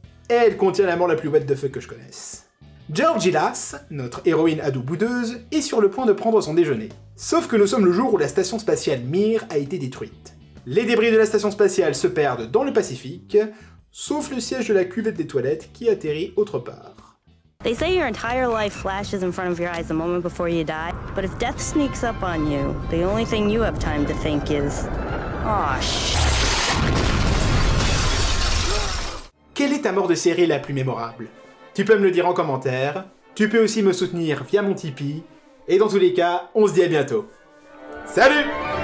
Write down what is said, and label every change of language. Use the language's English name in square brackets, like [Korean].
[French] Elle contient la mort la plus [English] what the fuck [French] que je connaisse. Georgie Lass, notre héroïne ado boudeuse, est sur le point de prendre son déjeuner. Sauf que nous sommes le jour où la station spatiale Mir a été détruite. Les débris de la station spatiale se perdent dans le Pacifique, sauf le siège de la cuvette des toilettes qui atterrit autre part. [English] They say your entire life flashes in front of your eyes the moment before you die. But if death sneaks up on you, the only thing you have time to think is... Aw, shit. [French] Quelle est ta mort de série la plus mémorable? Tu peux me le dire en commentaire, tu peux aussi me soutenir via mon Tipeee, et dans tous les cas, on se dit à bientôt. Salut!